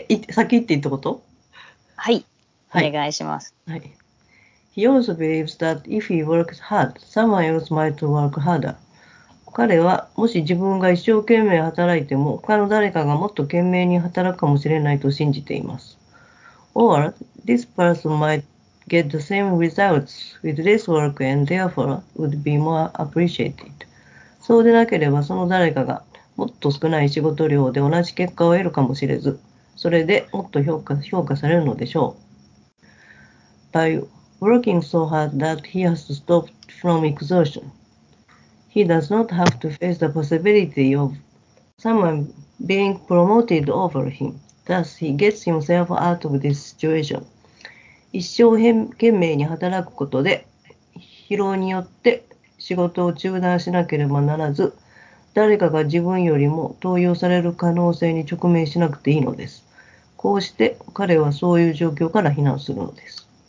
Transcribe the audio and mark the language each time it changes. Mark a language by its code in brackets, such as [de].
[ja] 先行っていったこと？はい、お願いします。 [en] はい。He also believes that if he works hard, someone else might work harder. [ja] 彼はもし自分が一生懸命働いても、他の誰かがもっと懸命に働くかもしれないと信じています。 [en] Or, this person might get the same results with less work and therefore would be more appreciated. [ja] そうでなければその誰かがもっと少ない仕事量で同じ結果を得るかもしれず、それでもっと評価されるのでしょう。 [en] By working so hard that he has stopped from exhaustion, he does not have to face the possibility of someone being promoted over him. Thus, he gets himself out of this situation. [ja] 一生懸命に働くことで疲労によって仕事を中断しなければならず、誰かが自分よりも登用される可能性に直面しなくていいのです。こうして彼はそういう状況から避難するのです。